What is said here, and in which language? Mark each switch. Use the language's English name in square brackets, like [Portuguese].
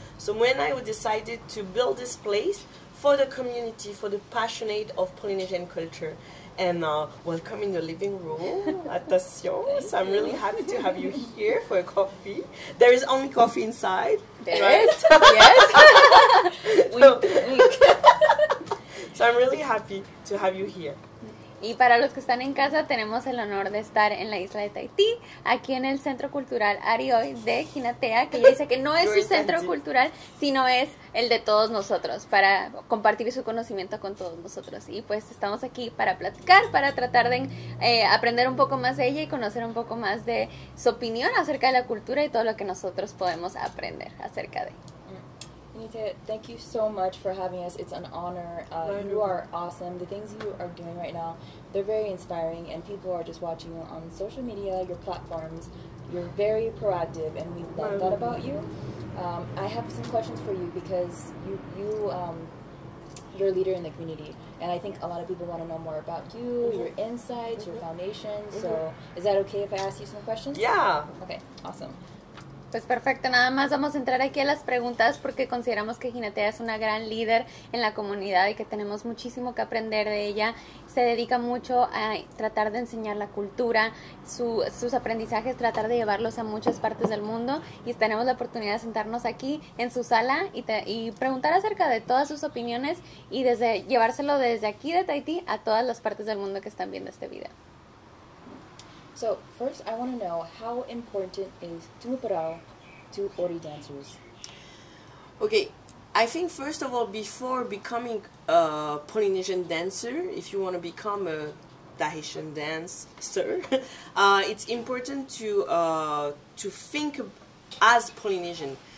[English] So when I decided to build this place for the community, for the passionate of Polynesian culture, and welcome in the living room, attention. So I'm really happy to have you here for a coffee. There is only coffee inside. There is, yes. So I'm really happy to have you here. [Spanish] Y para los que están en casa, tenemos el honor de estar en la isla de Tahití, aquí en el Centro Cultural Arioi de Hinatea, que ella dice que no es su centro cultural, sino es el de todos nosotros, para compartir su conocimiento con todos nosotros. Y pues estamos aquí para platicar, para tratar de aprender un poco más de ella y conocer un poco más de su opinión acerca de la cultura y todo lo que nosotros podemos aprender acerca de ella. [English] Thank you so much for having us. It's an honor. You are awesome. The things you are doing right now, they're very inspiring, and people are just watching you on social media, your platforms. You're very proactive, and we love that about you. I have some questions for you because you're a leader in the community, and I think a lot of people want to know more about you, mm-hmm. your insights, mm-hmm. your foundation. Mm-hmm. So is that okay if I ask you some questions? Yeah. Okay, awesome. [Spanish] Pues perfecto, nada más vamos a entrar aquí a las preguntas porque consideramos que Hinatea es una gran líder en la comunidad y que tenemos muchísimo que aprender de ella. Se dedica mucho a tratar de enseñar la cultura, sus aprendizajes, tratar de llevarlos a muchas partes del mundo y tenemos la oportunidad de sentarnos aquí en su sala y preguntar acerca de todas sus opiniones y desde llevárselo desde aquí de Tahití a todas las partes del mundo que están viendo este video. [English] So first, I want to know how important is Tuparao to Ori dancers? Okay, I think first of all, before becoming a Polynesian dancer, if you want to become a Tahitian dancer, it's important to think as Polynesian.